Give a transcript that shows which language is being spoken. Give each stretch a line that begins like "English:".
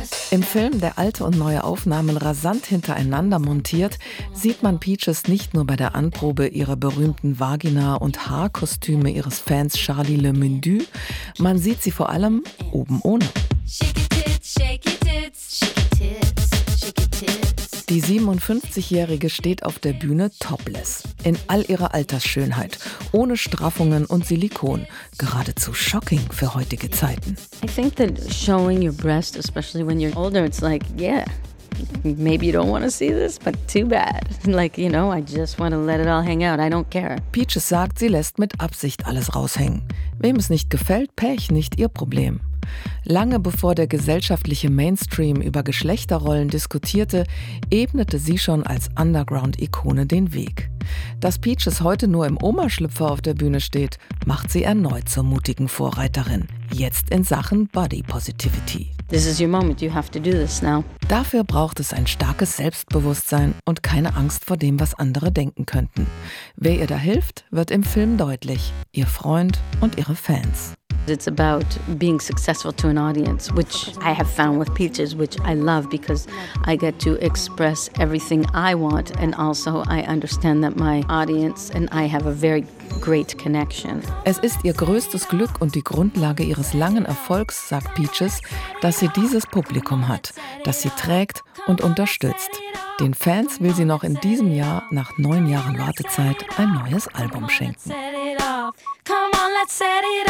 German: Im Film, der alte und neue Aufnahmen rasant hintereinander montiert, sieht man Peaches nicht nur bei der Anprobe ihrer berühmten Vagina- und Haarkostüme ihres Fans Charlie Le Mendu, man sieht sie vor allem oben ohne. Die 57-Jährige steht auf der Bühne topless, in all ihrer Altersschönheit, ohne Straffungen und Silikon, geradezu shocking für heutige Zeiten.
English: I think that showing your breast, especially when you're older, it's like, yeah, maybe you don't want to see this, but too bad. Like, you know, I just want to let it all hang out, I don't care.
German: Peaches sagt, sie lässt mit Absicht alles raushängen. Wem es nicht gefällt, Pech, nicht ihr Problem. Lange bevor der gesellschaftliche Mainstream über Geschlechterrollen diskutierte, ebnete sie schon als Underground-Ikone den Weg. Dass Peaches heute nur im Omaschlüpfer auf der Bühne steht, macht sie erneut zur mutigen Vorreiterin. Jetzt in Sachen Body Positivity.
English: This is your moment, you have to do this now.
German: Dafür braucht es ein starkes Selbstbewusstsein und keine Angst vor dem, was andere denken könnten. Wer ihr da hilft, wird im Film deutlich. Ihr Freund und ihre Fans.
English: It's about being successful to an audience, which I have found with Peaches, which I love because I get to express everything I want and also I understand that my audience and I have a very great connection.
German: Es ist ihr größtes Glück und die Grundlage ihres langen Erfolgs, sagt Peaches, dass sie dieses Publikum hat, das sie trägt und unterstützt. Den Fans will sie noch in diesem Jahr, nach 9 Jahren Wartezeit, ein neues Album schenken.
English: Come on, let's set it